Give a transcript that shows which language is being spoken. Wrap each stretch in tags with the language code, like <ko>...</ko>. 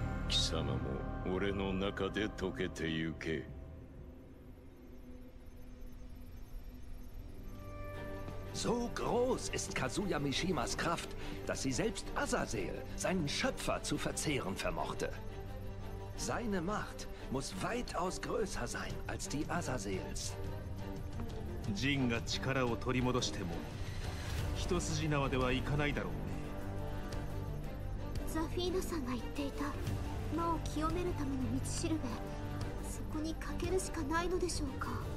<ja>貴様も俺の中で溶けてゆけ。</ja> <de>So groß ist Kazuya Mishimas Kraft, dass sie selbst Azazel, seinen Schöpfer, zu verzehren vermochte. Seine Macht muss weitaus größer sein als die Azazels.</de> <ja>Jin が力を取り戻しても、一筋縄ではいかないだろうね。ザフィーナさんが言っていた。魔を清めるための道しるべ、そこにかけるしかないのでしょうか。</ja>